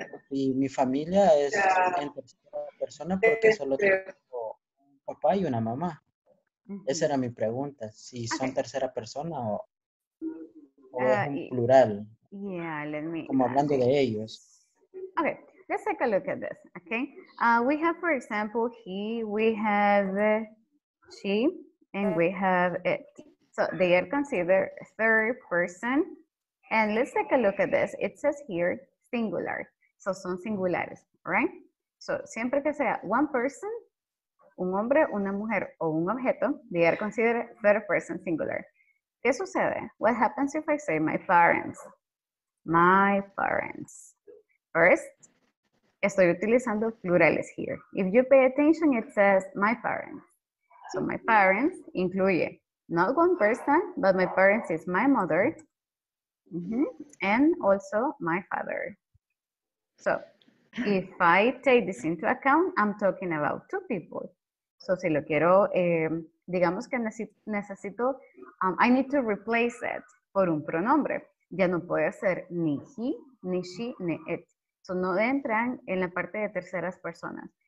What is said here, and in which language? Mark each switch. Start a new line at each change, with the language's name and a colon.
Spanish: Y mi familia es en tercera persona porque solo tengo un papá y una mamá. Esa era mi pregunta, si son tercera persona o es un plural.
English: Yeah, let me.
Spanish: Como hablando de ellos.
English: Okay, let's take a look at this, okay? We have, for example, he, we have she, and we have it. So they are considered third person. And let's take a look at this. It says here, singular. So,
Spanish: son singulares,
English: right?
Spanish: So, siempre que sea
English: one person,
Spanish: un hombre, una mujer, o un objeto,
English: they are considered third person singular.
Spanish: ¿Qué sucede?
English: What happens if I say my parents? My parents.
Spanish: First, estoy utilizando plurales here.
English: If you pay attention, it says my parents. So, my parents incluye not one person, but my parents is my mother. Mm-hmm. And also my father. So, if I take this into account, I'm talking about two people.
Spanish: So, si lo quiero, digamos que necesito,
English: I need to replace it
Spanish: por un pronombre. Ya no puede ser ni he, ni she, ni it. So, no entran en la parte de terceras personas.